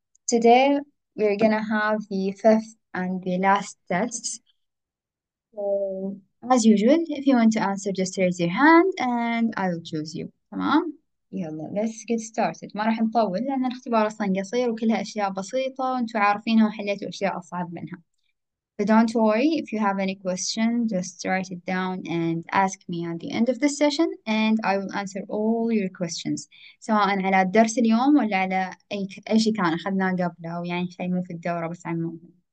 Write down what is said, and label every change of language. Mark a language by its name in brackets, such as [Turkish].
[English] Today we're gonna have the fifth and the last test. So, as usual, if you want to answer, just raise your hand and I will choose you. [Arabic] تمام؟ يلا [English] let's get started. [Arabic] ما راح نطول لأن الاختبار أصلا قصير وكلها أشياء بسيطة وأنتوا عارفينها وحليتوا أشياء أصعب منها. [English] But don't worry, if you have any question, just write it down and ask me at the end of the session and I will answer all your questions. [Arabic] سواء على الدرس اليوم ولا على أي شيء كان أخذناه قبله أو يعني شيء مو في الدورة بس عموما.